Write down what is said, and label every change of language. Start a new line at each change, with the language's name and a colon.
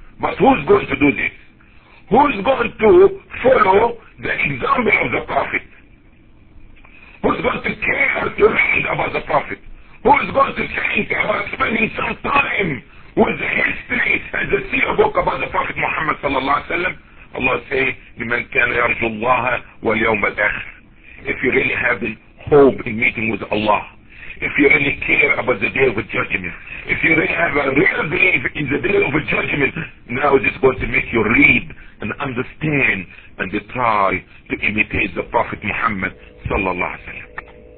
English: But who's going to do this? Who's going to follow the example of the Prophet? Who's going to care to read about the Prophet? Who is going to think about spending some time with the history and the seer book about the Prophet Muhammad sallallahu alaihi wasallam? Allah say,
Arabic: لِمَنْ كَانَ يَرْجُ اللَّهَ وَالْيَوْمَ الْأَخْرِ.
English: If you really have hope in meeting with Allah, if you really care about the day of judgment, if you really have a real belief in the day of judgment, now it is going to make you read and understand and to try to imitate the Prophet Muhammad sallallahu alaihi wasallam.